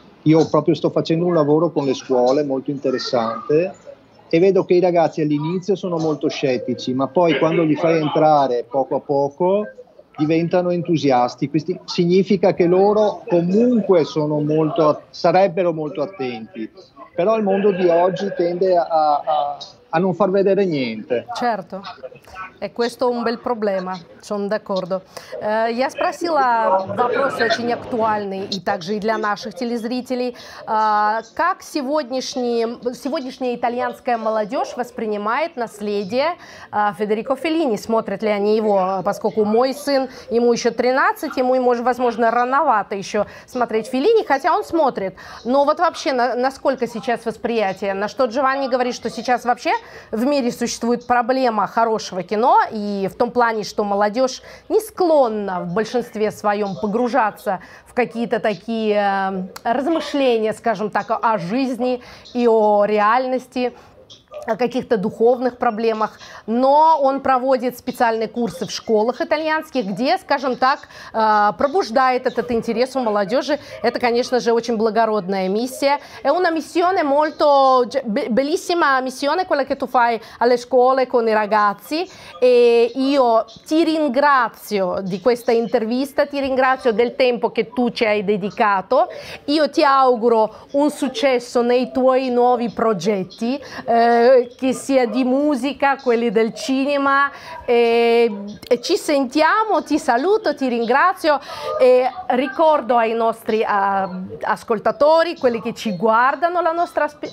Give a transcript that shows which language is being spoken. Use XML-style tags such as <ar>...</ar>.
<it>Io proprio sto facendo un lavoro con le scuole molto interessante e vedo che i ragazzi all'inizio sono molto scettici, ma poi quando li fai entrare poco a poco diventano entusiasti. Questo significa che loro comunque sono molto, sarebbero molto attenti, però il mondo di oggi tende a non far vedere niente. Certo, e questo è un bel problema, sono d'accordo.</it> <ru>Я спросила вопрос очень актуальный и также и для наших телезрителей. Как сегодняшняя итальянская молодежь воспринимает наследие Федерико Феллини? Смотрят ли они его? Поскольку мой сын, ему еще 13, ему, возможно, рановато еще смотреть Феллини, хотя он смотрит. Но вот вообще, насколько сейчас восприятие? На что Джованни говорит, что сейчас вообще в мире существует проблема хорошего кино, и в том плане, что молодежь не склонна в большинстве своем погружаться в какие-то такие размышления, скажем так, о жизни и о реальности, о каких-то духовных проблемах. Но он проводит специальные курсы в школах итальянских, где, скажем так, пробуждает этот интерес у молодежи. Это, конечно же, очень благородная миссия.</ru> <it>È una missione molto bellissima missione quella che tu fai alle scuole con i ragazzi. E io ti ringrazio di questa intervista, ti ringrazio del tempo che tu ci hai dedicato. Io ti auguro un successo nei tuoi nuovi progetti, che sia di musica, quelli del cinema, e ci sentiamo, ti saluto, ti ringrazio e ricordo ai nostri ascoltatori, quelli che ci guardano la nostra</it>